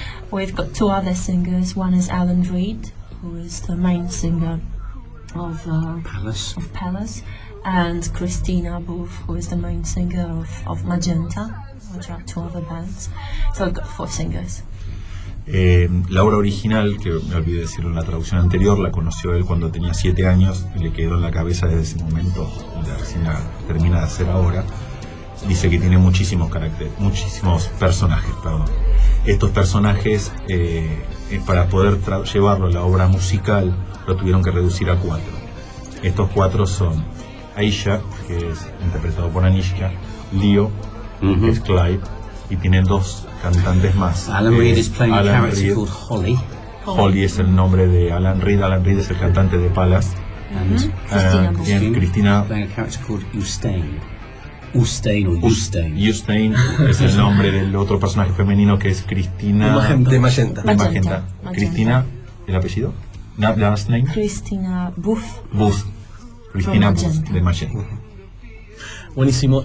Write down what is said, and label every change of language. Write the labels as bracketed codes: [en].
[en] We've got two other singers. One is Alan Reed, who is the main singer of Palace, and Christina Booth, who is the main singer of Magenta, which are two other bands. So we've got four singers. [es] La obra original, que me olvidé decirlo en la traducción anterior, la conoció él cuando tenía 7 años y le quedó en la cabeza desde ese momento, termina de hacer ahora. Dice que tiene muchísimos personajes. Estos personajes, para poder llevarlo a la obra musical, lo tuvieron que reducir a 4. Estos 4 son Aisha, que es interpretado por Anishka, Leo, uh-huh, que es Clive, y tiene 2 cantantes más. [en] Alan Reed is playing a character called Holly. [es] Holly es el nombre de Alan Reed. Alan Reed es el cantante de Palace. [en] And Christina is playing a character called Ustein [es] es el nombre del otro personaje femenino, que es Cristina de Magenta. Magenta. Cristina, ¿el apellido? [en] Not last name. [es] Cristina Booth. Booth. Cristina Booth de Magenta. Buenísimo.